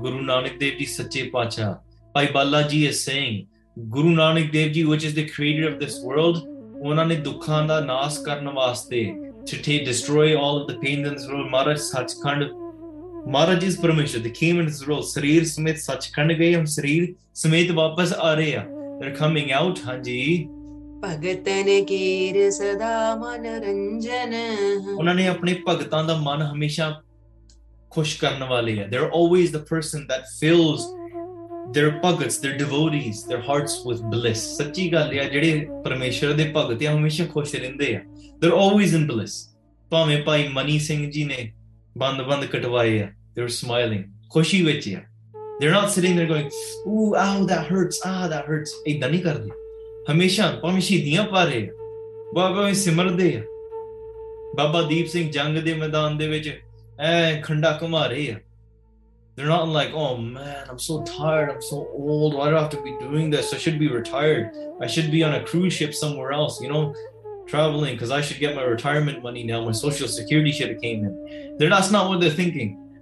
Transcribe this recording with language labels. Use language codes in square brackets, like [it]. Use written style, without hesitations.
[en] Guru Nanak Dev Ji Sache Pacha, Bhai Bala Ji is saying, Guru Nanak Dev Ji, which is the creator of this world, [pa] unhone dukhan da nas karan waste [en] to destroy all of the pain in this world, Maharaj Sachkhand, Maharaj is Parameshwar, they came in this world, [pa] Sareer Smith Sachkhand gaye, [hi] hum Sareer Smith vapas aa rahe hain, [en] they're coming out. [pa] Hanji. ਭਗਤਨ ਕੇਰ ਸਦਾ ਮਨ ਰੰਜਨ, ਉਹਨਾਂ ਨੇ ਆਪਣੇ ਭਗਤਾਂ ਦਾ ਮਨ ਹਮੇਸ਼ਾ ਖੁਸ਼ ਕਰਨ ਵਾਲੇ ਆ. [en] They're always the person that fills their bhagats, their devotees, their hearts with bliss. [pa] ਸੱਚੀ ਗੱਲ ਆ, ਜਿਹੜੇ ਪਰਮੇਸ਼ਰ ਦੇ ਭਗਤ ਆ ਹਮੇਸ਼ਾ ਖੁਸ਼ ਰਹਿੰਦੇ ਆ. [en] They're always in bliss. [pa] ਭਾਵੇਂ ਭਾਈ ਮਨੀ ਸਿੰਘ ਜੀ ਨੇ ਬੰਦ ਬੰਦ ਕਟਵਾਏ ਆ, [en] they're smiling, [pa] ਖੁਸ਼ੀ ਵਿੱਚ ਆ. [en] They're not sitting there going, ooh, ow, that hurts, ah, that hurts. [pa] ਏਦਾਂ ਨਹੀਂ ਕਰਦੇ. ਹਮੇਸ਼ਾ ਭਾਵੇਂ ਸ਼ਹੀਦੀਆਂ ਪਾ ਰਹੇ ਆ, ਭਾਵੇਂ ਸਿਮਰਦੇ ਆ. ਬਾਬਾ ਦੀਪ ਸਿੰਘ ਜੰਗ ਦੇ ਮੈਦਾਨ ਦੇ ਵਿੱਚ ਐ ਖੰਡਾ ਘੁਮਾ ਰਹੇ ਆ. [en] They're not like, oh man, I'm so tired, I'm so old, why do I have to be doing this? I should be retired. I should be on a cruise ship somewhere else, you know, traveling, because I should get my retirement money now. My social security should have came in. That's not what they're thinking.